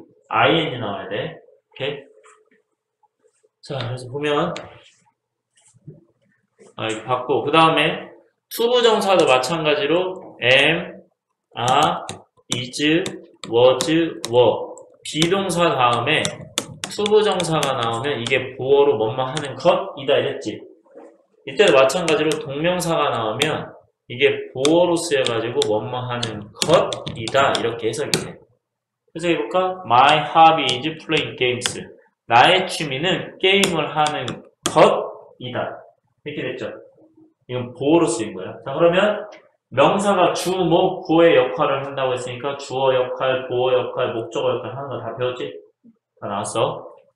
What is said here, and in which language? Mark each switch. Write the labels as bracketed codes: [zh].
[ko] ing 나와야 돼. 오케이? 자, 그래서 보면 봤고, 그 다음에 투부정사도 마찬가지로 am, are, is, was, were. 비동사 다음에 투부정사가 나오면 이게 보어로 뭐뭐 하는 것이다 이랬지. 이때도 마찬가지로 동명사가 나오면 이게 보어로 쓰여가지고 뭐뭐 하는 것이다 이렇게 해석이 돼. 그래서 해볼까? [en] My hobby is playing games. [ko] 나의 취미는 게임을 하는 것이다. 이렇게 됐죠? 이건 보어로 쓰인 거야. 자, 그러면 명사가 주목 보의 역할을 한다고 했으니까 주어 역할, 보어 역할, 목적어 역할 하는 거다 배웠지? 다 나왔어.